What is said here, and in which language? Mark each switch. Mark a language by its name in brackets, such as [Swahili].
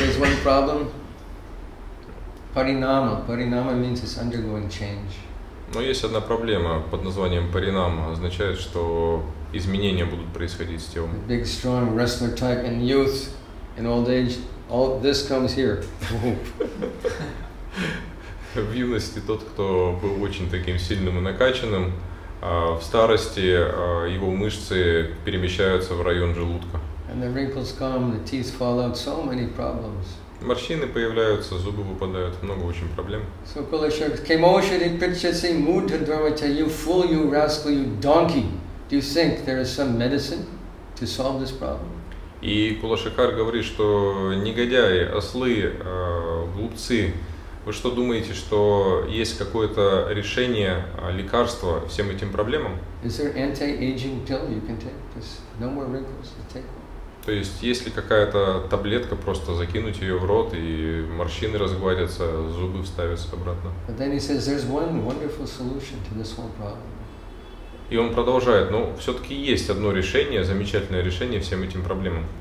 [English] There's one problem. Паринама. Паринама means it's undergoing change. [Russian] Но есть одна проблема под названием паринама, означает, что изменения будут происходить с телом. [English] The big strong wrestler type in youth, in old age, all this comes here. [Russian] В юности тот, кто был очень таким сильным и накачанным, в старости его мышцы перемещаются в район желудка. [English] And the wrinkles come, the teeth fall out, so many problems. [Russian] Морщины появляются, зубы выпадают, много очень проблем. [English] So Kulashekar, Kemoshadi Pritchasi Mudha Dharmata, you fool, you rascal, you donkey. Do you think there is some medicine to solve this problem? [Russian] И Кулашекар говорит, что негодяи, ослы, глупцы, вы что думаете, что есть какое-то решение, лекарство всем этим проблемам? [English] Is there anti-aging pill you can take? There's no more wrinkles to take. [Russian] То есть, есть ли какая-то таблетка, просто закинуть ее в рот, и морщины разгладятся, зубы вставятся обратно. [English] But then he says, there's one wonderful solution to this whole problem. [Russian] И он продолжает, ну, все-таки есть одно решение, замечательное решение всем этим проблемам.